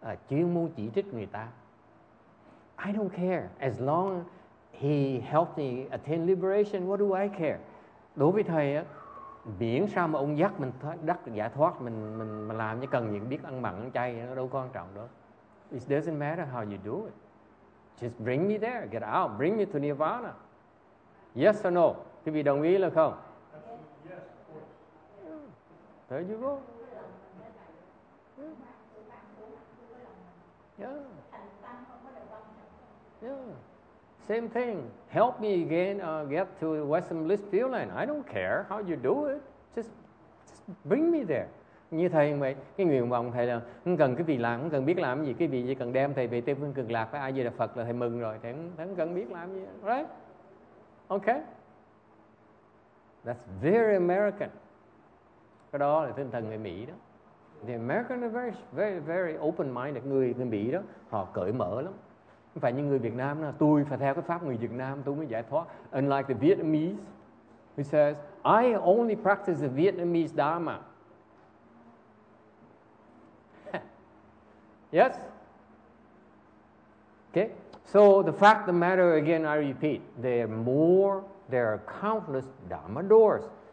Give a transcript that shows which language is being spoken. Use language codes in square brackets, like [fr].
[vi] chuyên môn chỉ trích người ta. [en] I don't care. As long he helped me attain liberation, what do I care? [vi] Đối với thầy á, miễn sao mà ông dắt mình đắc giải thoát, mình làm như cần gì biết ăn mặn ăn chay, nó đâu quan trọng đó. [en] It doesn't matter how you do it. Just bring me there, get out, bring me to Nirvana. Yes or no? [vi] Quý vị đồng ý là không? [en] Yes. There you go. Yeah. Same thing. Help me again get to Western Bliss Field Line. I don't care how you do it. Just bring me there. [vi] Như thầy vậy, cái nguyện vọng thầy là không cần cái vị làm, không cần biết làm gì, cái vị chỉ cần đem thầy về Tây Phương Cực Lạc với Ai Di Đà Phật là thầy mừng rồi, thầy không cần biết làm gì, [en] right? Okay. That's very American. [vi] Cái đó là tinh thần người Mỹ đó. [en] The Americans are very, very, very open-minded. [vi] Người Mỹ đó, họ cởi mở lắm. Không phải như người Việt Nam đó, tôi phải theo cái pháp người Việt Nam, tôi mới giải thoát. [en] Unlike the Vietnamese, who says, I only practice the Vietnamese Dharma. Yes? Okay. So the fact of the matter, again, I repeat, there are countless Dharma doors.